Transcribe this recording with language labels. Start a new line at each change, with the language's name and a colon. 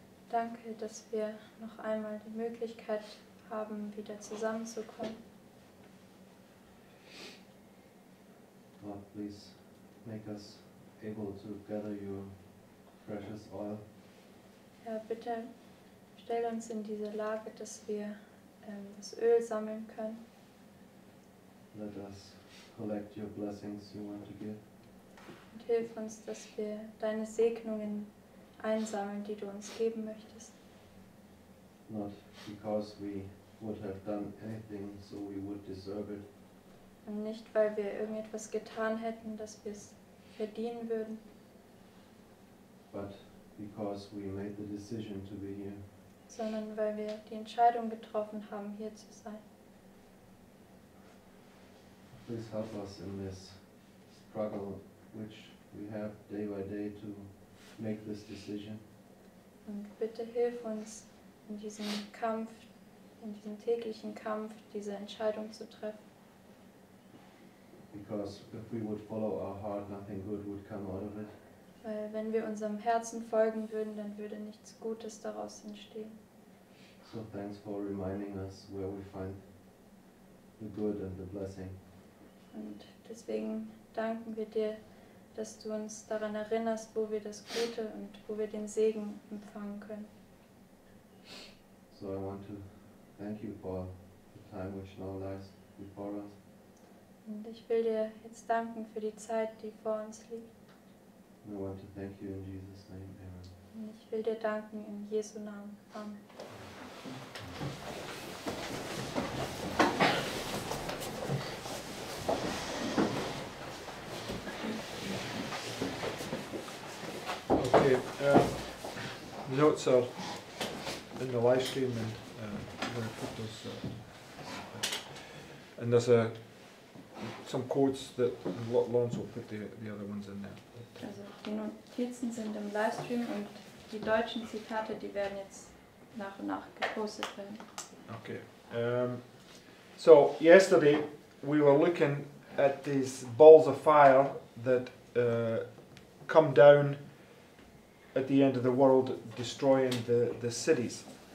German: Danke, dass wir noch einmal die Möglichkeit haben, wieder zusammenzukommen.
English: Lord, please make us able to gather your precious oil.
German: Herr, bitte stell uns in diese Lage, dass wir das Öl sammeln können.
English: Let us collect your blessings you want to give.
German: Und hilf uns, dass wir deine Segnungen einsammeln, die du uns geben möchtest.
English: Not because we would have done anything, so we would deserve it.
German: Und nicht, weil wir irgendetwas getan hätten, dass wir es verdienen würden.
English: But because we made the decision to be here.
German: Sondern weil wir die Entscheidung getroffen haben, hier zu sein.
English: Please help us in this struggle which we have day by day to make this decision.
German: Und bitte hilf uns in diesem Kampf, in diesem täglichen Kampf, diese Entscheidung zu treffen.
English: Because if we would follow our heart, nothing good would come out of it.
German: Weil wenn wir unserem Herzen folgen würden, dann würde nichts Gutes daraus entstehen.
English: So thanks for reminding us where we find the good and the blessing.
German: Und deswegen danken wir dir, dass du uns daran erinnerst, wo wir das Gute und wo wir den Segen empfangen können.
English: So I want to thank you for the time which now lies before us.
German: Und ich will dir jetzt danken für die Zeit, die vor uns liegt.
English: And I want to thank you in Jesus' name, Amen.
German: Und ich will dir danken in Jesu Namen.
English: Amen. Okay, notes are in the live stream and I'm going to put those and there's some quotes that Lawrence will put the other ones in there.
German: Also die Notizen sind im Livestream und die deutschen Zitate, die werden jetzt nach und nach gepostet werden.
English: Okay, so yesterday we were looking at these balls of fire that come down at the end of the world, destroying the cities.